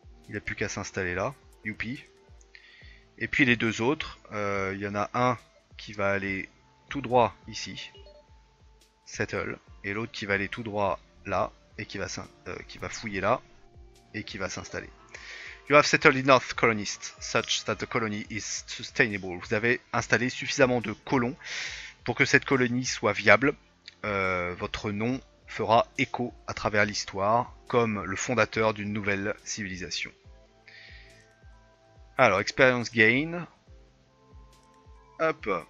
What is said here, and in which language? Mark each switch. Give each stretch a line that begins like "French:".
French: Il a plus qu'à s'installer là. Youpi. Et puis les 2 autres. Il y en a un qui va aller tout droit ici. Settle, et l'autre qui va aller tout droit là, et qui va fouiller là, et qui va s'installer.
English: You have settled enough colonists, such that the colony is sustainable.
French: Vous avez installé suffisamment de colons pour que cette colonie soit viable. Votre nom fera écho à travers l'histoire comme le fondateur d'une nouvelle civilisation. Alors, experience gain. Hop!